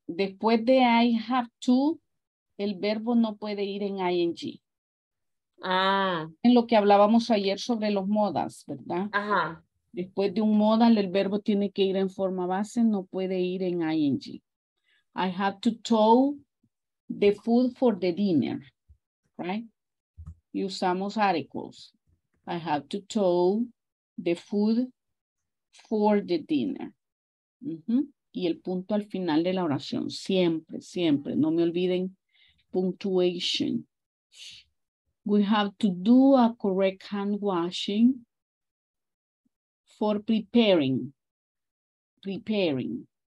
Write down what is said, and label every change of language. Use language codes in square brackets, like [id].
[es] Después de [en] I have to, [es] el verbo no puede ir en ing. Ah. En lo que hablábamos ayer sobre los modas, ¿verdad? Ajá. Después de un modal, el verbo tiene que ir en forma base, no puede ir en ing. [en] I have to tow the food for the dinner, right? [es] Y usamos articles. [en] I have to tow the food for the dinner. Uh-huh. [es] Y el punto al final de la oración, siempre, siempre. No me olviden, [en] punctuation. We have to do a correct hand washing. For preparing, ing.